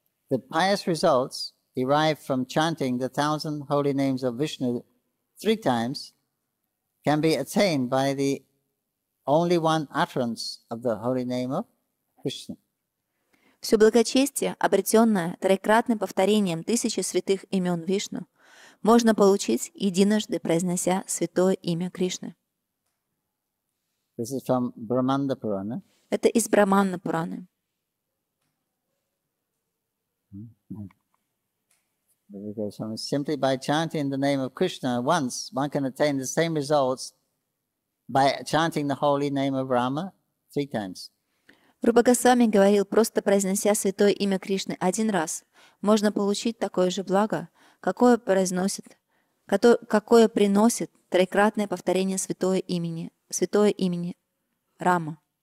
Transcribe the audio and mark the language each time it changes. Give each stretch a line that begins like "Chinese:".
English: The pious results derived from chanting the 1,000 holy names of Vishnu 3 times can be attained by the only one utterance of the holy name of Krishna.
Russian: Все благочестие, обретенное троекратным повторением 1000 святых имен Вишну, можно получить, единожды произнося святое имя Кришны.
English: This is from Brahmanda Purana.
Russian: Это из Брахманда Пураны.
English: Simply by chanting the name of Krishna once, one can attain the same results by chanting the holy name of Rama 3 times.
Russian: Рупа Госвами говорил, просто произнося святое имя Кришны один раз, можно получить такое же благо, какое приносит троекратное повторение святое имени Рама.